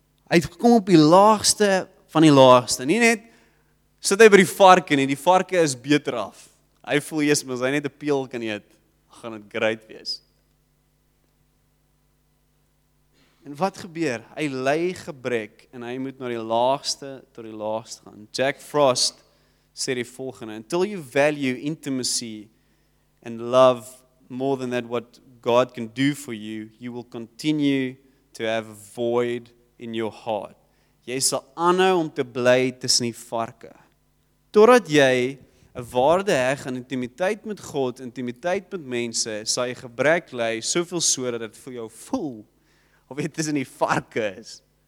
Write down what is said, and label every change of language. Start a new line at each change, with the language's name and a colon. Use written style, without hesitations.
Afrikaans: Hy het gekom op die laagste van die laagste. Nie net sit hy by die varke nie. Die varke is beter af. Hy voel eers mos hy net 'n peel kan eet, gaan dit great wees. En wat gebeur? Hy ly gebrek en hy moet na die laagste tot die laagste gaan. Jack Frost sê die volgende,
English: until you value intimacy and love more than that what God can do for you, you will continue to have a void in your heart.
Afrikaans: Jy sal aanhou om te bly tussen die varke. Totdat jy 'n waarde heg aan intimiteit met God, intimiteit met mense, sal jy gebrek ly soveel so dat dit vir jou voel of jy tussen die varke is.